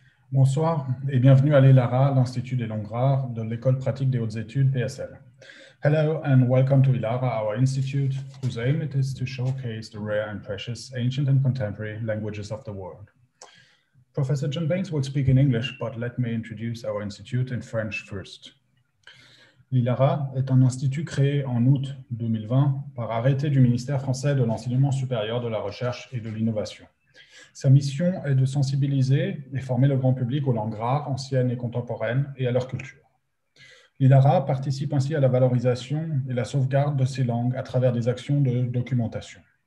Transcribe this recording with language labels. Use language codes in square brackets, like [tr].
[fr] Bonsoir et bienvenue à l'ILARA, l'Institut des langues rares de l'École pratique des hautes études, PSL. [en] Hello and welcome to ILARA, our institute, whose aim it is to showcase the rare and precious ancient and contemporary languages of the world. Professor John Baines will speak in English, but let me introduce our institute in French first. [fr] L'ILARA est un institut créé en août 2020 par arrêté du ministère français de l'enseignement supérieur, de la recherche et de l'innovation. Sa mission est de sensibiliser et former le grand public aux langues rares, anciennes et contemporaines, et à leur culture. L'ILARA participe ainsi à la valorisation et la sauvegarde de ces langues à travers des actions de documentation.